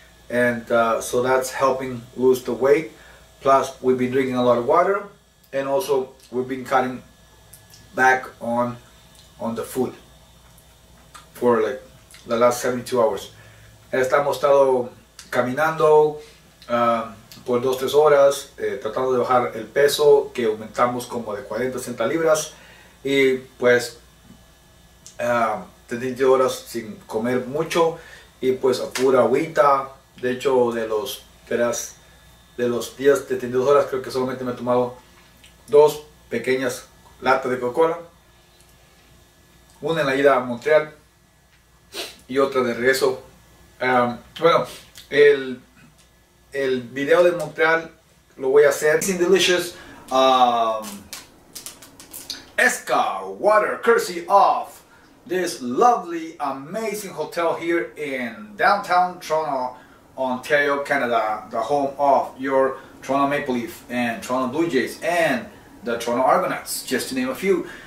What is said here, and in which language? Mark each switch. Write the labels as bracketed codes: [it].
[en] And so that's helping lose the weight. Plus, we've been drinking a lot of water, and also we've been cutting back on the food for like the last 72 hours. [es] Estamos estado caminando, por 2-3 horas, tratando de bajar el peso, que aumentamos como de 40 a 60 libras, y pues 30 horas sin comer mucho, y pues a pura agüita. De hecho, de los días de 32 horas, creo que solamente me he tomado dos pequeñas latas de Coca-Cola, una en la ida a Montreal y otra de regreso. Bueno, el video de Montreal lo voy a hacer. [en] Delicious Escar water, courtesy of this lovely, amazing hotel here in downtown Toronto, Ontario, Canada, the home of your Toronto Maple Leaf and Toronto Blue Jays and the Toronto Argonauts, just to name a few.